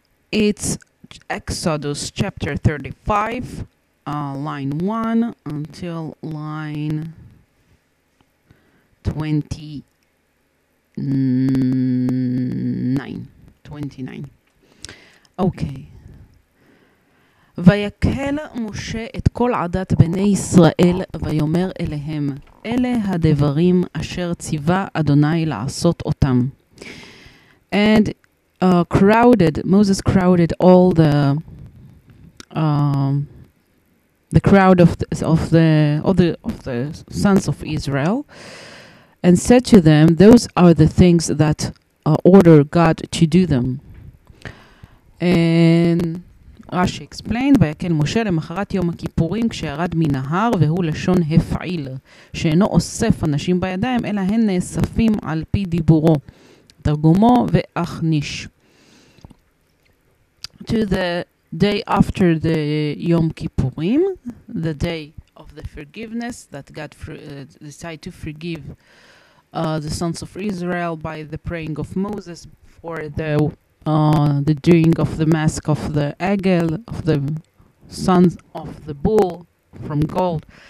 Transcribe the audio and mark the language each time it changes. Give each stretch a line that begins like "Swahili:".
English: It's Exodus chapter 35, line 1 until line 29. Okay.
Hebrew: ויקהל משה את כל עדת בני ישראל ויאמר אליהם, אלה הדברים אשר ציווה אדוני לעשות אותם.
English: And Moses crowded all the crowd of the sons of Israel and said to them, those are the things that order God to do them. And Rashi explained,
Hebrew: ויקל משה למחרת יום הכיפורים כשירד מנהר והוא לשון הפעיל שאינו אוסף אנשים בידיים אלא הן נאספים על פי דיבורו תרגומו ואכניש.
English: To the day after the Yom Kippurim, the day of the forgiveness that God decided to forgive the sons of Israel by the praying of Moses for the doing of the mask of the Egel, of the sons of the bull from gold.